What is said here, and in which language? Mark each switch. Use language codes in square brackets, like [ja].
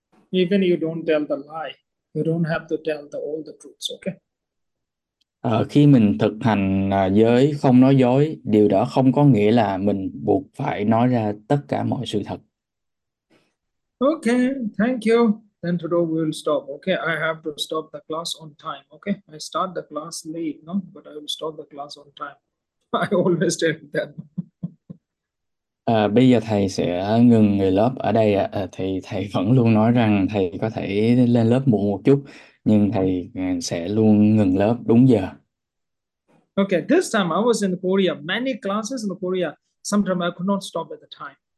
[en] You don't tell the lie, you don't have to tell the all the truths. Okay. [vi] Khi mình thực hành giới không nói dối, điều đó không có nghĩa là mình buộc phải nói ra tất cả mọi sự thật. [en] Okay, thank you. Then today we will stop. Okay, I have to stop the class on time. Okay, I start the class late, no? But I will stop the class on time. I always tell them. [vi] Bây giờ thầy sẽ ngừng người lớp ở đây ạ. Thì thầy vẫn luôn nói rằng thầy có thể lên lớp muộn một chút, nhưng thầy sẽ luôn ngừng lớp đúng giờ. [en] Okay, this time I was in Korea. Many classes in Korea. Sometimes I could not stop at the time.